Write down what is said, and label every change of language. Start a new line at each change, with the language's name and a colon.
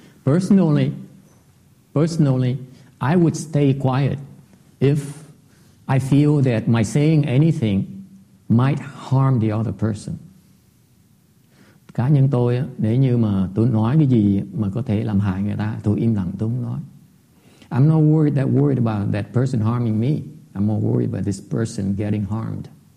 English: Personally, I would stay quiet if I feel that my saying anything might harm the other person.
Vietnamese: Cá nhân tôi, nếu như mà tôi nói cái gì mà có thể làm hại người ta, tôi im lặng, tôi không nói.
English: I'm not worried about that person harming me. I'm more worried about this person getting harmed.